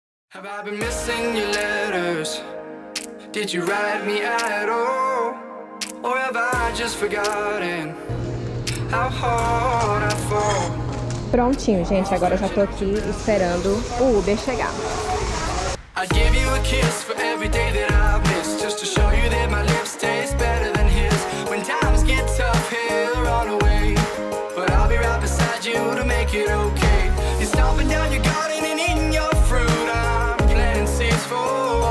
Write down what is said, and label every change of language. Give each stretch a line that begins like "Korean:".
English: Have I been missing your letters? Did you write me at all? Or have I just forgotten how hard I fall?
Portuguese: Prontinho, gente. Agora eu já tô aqui esperando o Uber chegar.
English: I give you a kiss for every day that I miss, just to show you that my lips taste better than his. When times get tough, he'll run away, but I'll be right beside you to make it okay. You're stomping down your garden and eating your fruit. I'm planting seeds for you.